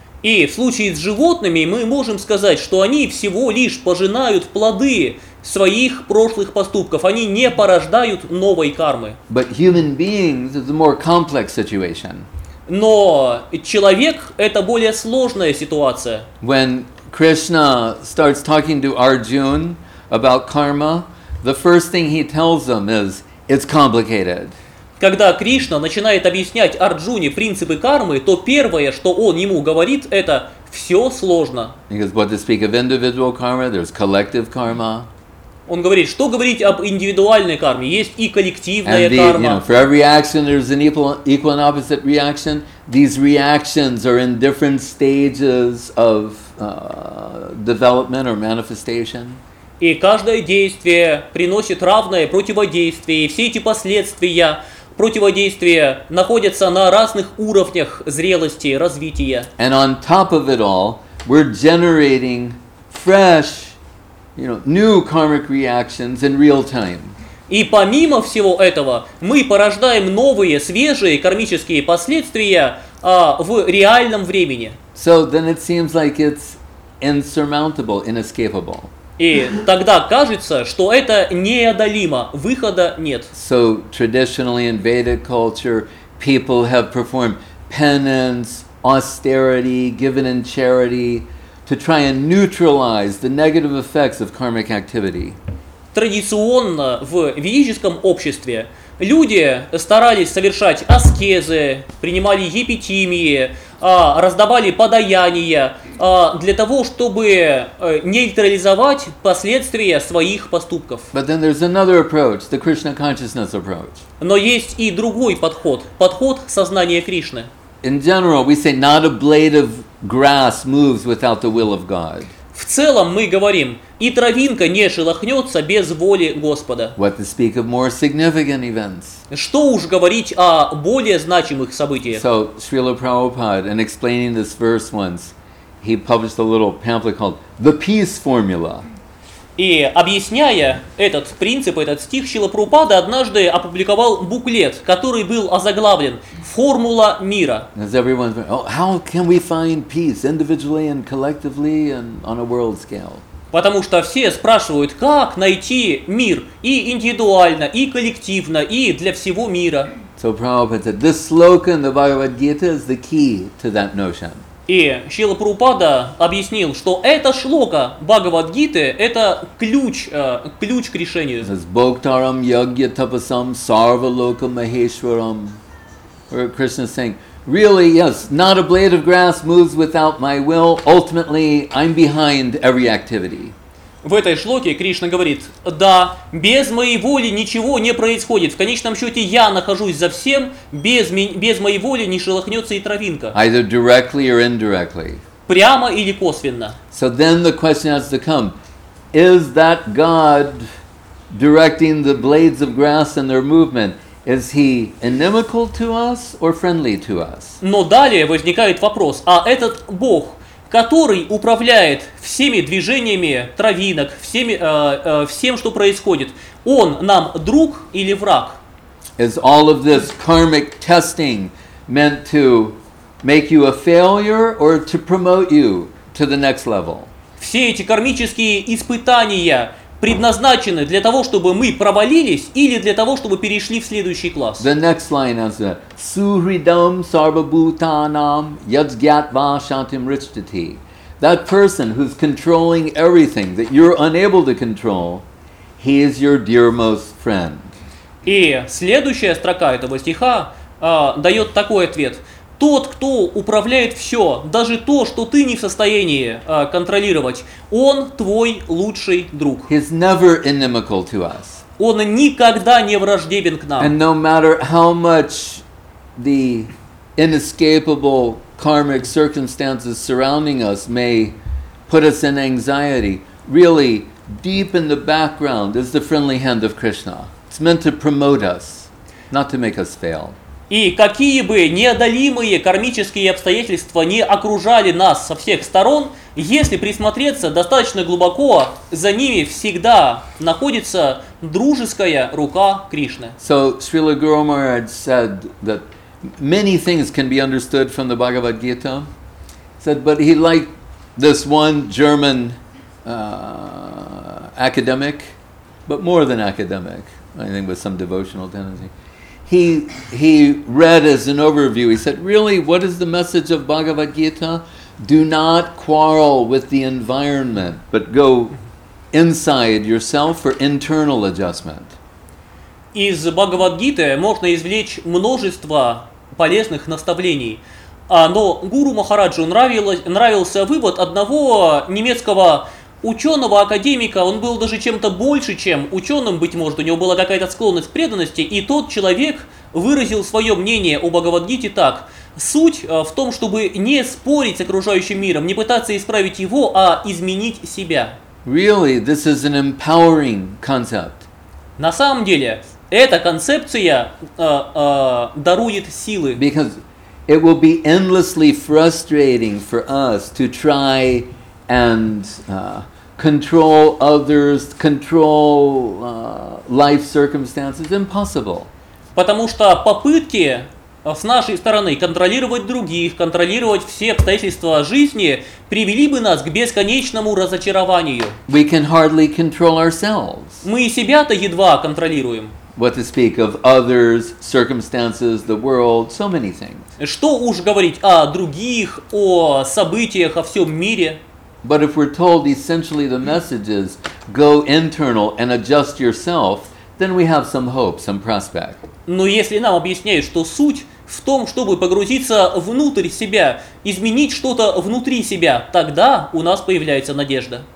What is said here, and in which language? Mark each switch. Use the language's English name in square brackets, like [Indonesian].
[Russian] И в случае с животными мы можем сказать, что они всего лишь пожинают плоды своих прошлых поступков. Они не порождают новой кармы. [English] But human beings is a more complex situation. [Russian] Но человек – это более сложная ситуация. [English] When Krishna starts talking to Arjuna about karma, the first thing he tells them is, it's complicated. [Russian] Когда Кришна начинает объяснять Арджуне принципы кармы, то первое, что он ему говорит, это «все сложно». [English] Because what to speak of individual karma, there's collective karma. [Russian] Он говорит, что говорить об индивидуальной карме? Есть и коллективная карма. [English] And you know, for every action, there's an equal and opposite reaction. These reactions are in different stages of development or manifestation. [Russian] И каждое действие приносит равное противодействие. И все эти последствия противодействия находятся на разных уровнях зрелости, развития. [English] And on top of it all, we're generating fresh, you know, new karmic reactions in real time. [Russian] И помимо всего этого, мы порождаем новые, свежие кармические последствия в реальном времени. [English] So then it seems like it's insurmountable, inescapable. [Russian] И тогда кажется, что это неодолимо, выхода нет. [English] So traditionally in Vedic culture, people have performed penance, austerity, given in charity, to try and neutralize the negative effects of karmic activity. [Russian] Традиционно в ведическом обществе люди старались совершать аскезы, принимали епитимии, раздавали подаяния для того, чтобы нейтрализовать последствия своих поступков. [English] But then there's another approach, the Krishna consciousness approach. [Russian] Но есть и другой подход, подход сознания Кришны. [English] In general, we say not a blade of grass moves without the will of God. [Russian] В целом мы говорим, и травинка не шелохнется без воли Господа. [English] What to speak of more significant events? [Russian] Что уж говорить о более значимых событиях? [English] So, Srila Prabhupada, in explaining this verse once, he published a little pamphlet called "The Peace Formula." [Russian] И объясняя этот принцип, этот стих, Шрила Прабхупада однажды опубликовал буклет, который был озаглавлен «Формула мира». [English] As everyone, how can we find peace individually and collectively and on a world scale? [Russian] Потому что все спрашивают, как найти мир и индивидуально, и коллективно, и для всего мира. [English] So Prabhupada said, this sloka in the Bhagavad Gita is the key to that notion. [Russian] И Шрила Прабхупада объяснил, что эта шлока Бхагавад-гиты – это ключ, ключ к решению. [English] It says, [Sanskrit] «Боктарам йогья тапасам сарвалока махешварам». [English] Where Krishna is saying, «Really, yes, not a blade of grass moves without my will. Ultimately, I'm behind every activity». [Russian] В этой шлоке Кришна говорит, «Да, без моей воли ничего не происходит. В конечном счете, я нахожусь за всем, без моей воли не шелохнется и травинка». [English] Either directly or indirectly. [Russian] Прямо или косвенно. [English] So then the question has to come, is that God directing the blades of grass and their movement, is he inimical to us or friendly to us? [Russian] Но далее возникает вопрос, а этот Бог, который управляет всеми движениями травинок, всеми, всем, что происходит. Он нам друг или враг? [English] Is all of this karmic testing meant to make you a failure or to promote you to the next level? [Russian] Все эти кармические испытания предназначены для того, чтобы мы провалились или для того, чтобы перешли в следующий класс. [English] The next line is [Sanskrit] Suhridam sarvabhutanam yajgyatva shantim richtati. [English] That person who's controlling everything that you're unable to control, he is your dearmost friend. [Russian] И следующая строка этого стиха дает такой ответ. Тот, кто управляет все, даже то, что ты не в состоянии контролировать, он твой лучший друг. [English] He's never inimical to us. [Russian] Он никогда не враждебен к нам. [English] And no matter how much the inescapable karmic circumstances surrounding us may put us in anxiety, really, deep in the background is the friendly hand of Krishna. It's meant to promote us, not to make us fail. [Russian] И какие бы неодолимые кармические обстоятельства не окружали нас со всех сторон, если присмотреться достаточно глубоко, за ними всегда находится дружеская рука Кришны. [English] So Srila Guru Maharaj said that many things can be understood from the Bhagavad Gita. Said, but he liked this one German academic, but more than academic, I think with some devotional tendency. He read as an overview, he said, really, what is the message of Bhagavad Gita? Do not quarrel with the environment, but go inside yourself for internal adjustment. [Russian] Из Бхагавад Гиты можно извлечь множество полезных наставлений. Но Гуру Махараджу нравился вывод одного немецкого ученого, академика, он был даже чем-то больше, чем ученым, быть может, у него была какая-то склонность к преданности, и тот человек выразил свое мнение о Бхагавадгите так: суть в том, чтобы не спорить с окружающим миром, не пытаться исправить его, а изменить себя. [English] Really, this is an empowering concept. [Russian] На самом деле, эта концепция дарует силы. [English] Because it will be endlessly frustrating for us to try and control others, control life circumstances. Impossible. [Russian] Потому что попытки с нашей стороны контролировать других, контролировать все обстоятельства жизни привели бы нас к бесконечному разочарованию. [English] We can hardly control ourselves. [Russian] Мы себя-то едва контролируем. [English] What to speak of others, circumstances, the world, so many things. [Russian] Что уж говорить о других, о событиях, о всем мире. [English] But if we're told essentially the message is go internal and adjust yourself, then we have some hope, some prospect. [Russian] Но если нам объясняют, что суть в том, чтобы погрузиться внутрь себя, изменить что-то внутри себя, тогда у нас появляется надежда.